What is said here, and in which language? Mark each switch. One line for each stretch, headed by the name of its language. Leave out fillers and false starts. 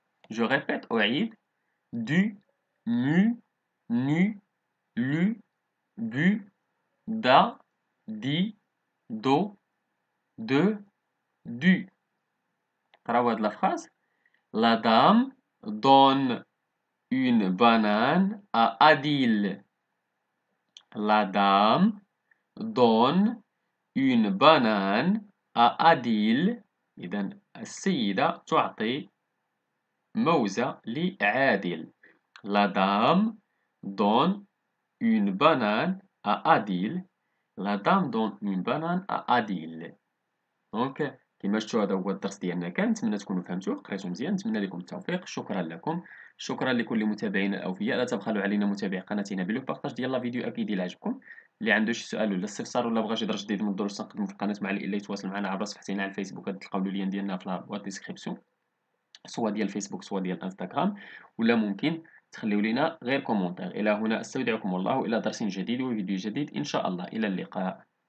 Arabic: جو ريبيت اعيد. دو مو نو لو بو دا دي دو دو دو. قراو هاد لا فراز.
French: لا دام دون اون بانان ا اديل. La dame donne une banane à Adil.
Arabic: إذا السيدة تعطي موزة لعادل.
French: La dame donne une banane à Adil. La dame donne une banane à Adil.
Arabic: دونك كما شفتوا هذا هو الدرس ديالنا، كنتمنى تكونوا فهمتوا قريتوا مزيان، نتمنى لكم التوفيق. شكرا لكم، شكرا لكل متابعينا الاوفياء. لا تبخلوا علينا متابعي قناتنا بلو بارطاج ديال لا فيديو اكيد الى عجبكم. اللي عنده شي سؤال ولا استفسار ولا بغى شي درس جديد من الدروس نقدمو في القناه، مع الا يتواصل معنا عبر صفحتنا على الفيسبوك، تلقاو اللين ديالنا في الديسكريبسيون، سواء ديال الفيسبوك سواء ديال الانستغرام، ولا ممكن تخليو لنا غير كومونتير. الى هنا استودعكم الله الى درس جديد وفيديو جديد ان شاء الله. الى اللقاء.